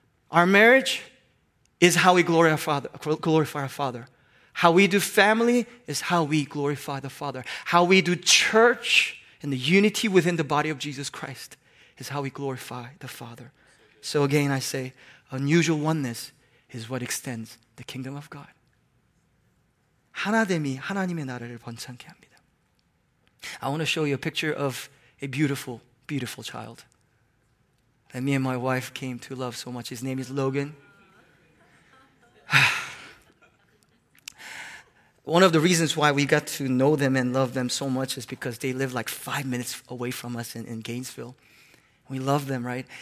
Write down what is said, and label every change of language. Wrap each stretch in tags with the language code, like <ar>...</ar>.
<en>Our marriage is how we glorify our Father. How we do family is how we glorify the Father. How we do church and the unity within the body of Jesus Christ is how we glorify the Father. So again, I say, unusual oneness is what extends the kingdom of God.</en> <ko>하나됨이 하나님의 나라를 번창케 합니다.</ko> <en>I want to show you a picture of a beautiful, beautiful child that me and my wife came to love so much. His name is Logan. One of the reasons why we got to know them and love them so much is because they live like 5 minutes away from us in Gainesville. We love them, right?</en>